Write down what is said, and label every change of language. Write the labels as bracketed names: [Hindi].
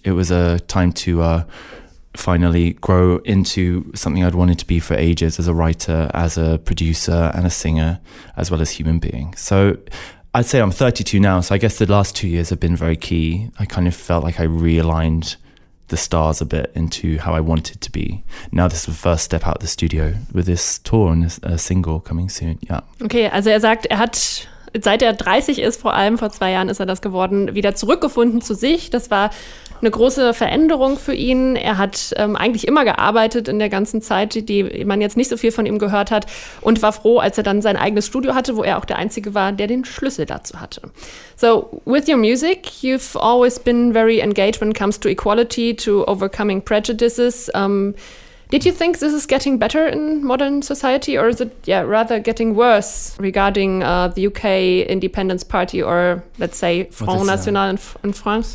[English] It was a time to finally grow into something I'd wanted to be for ages, as a writer, as a producer and a singer, as well as human being. So I'd say I'm 32 now. So I guess the last 2 years have been very key. I kind of felt like I realigned the stars a bit into how I wanted to be. Now this is the first step out of the studio with this tour and a single coming soon, yeah. [German] Okay, also er sagt, er hat, seit er 30 ist, vor allem vor 2 Jahren ist er das geworden, wieder zurückgefunden zu sich. Das war eine große Veränderung für ihn. Er hat eigentlich immer gearbeitet in der ganzen Zeit, die man jetzt nicht so viel von ihm gehört hat, und war froh, als er dann sein eigenes Studio hatte, wo er auch der Einzige war, der den Schlüssel dazu hatte. [English] So, with your music, you've always been very engaged when it comes to equality, to overcoming prejudices. Did you think this is getting better in modern society, or is it rather getting worse regarding the UK Independence Party, or let's say Front National in France?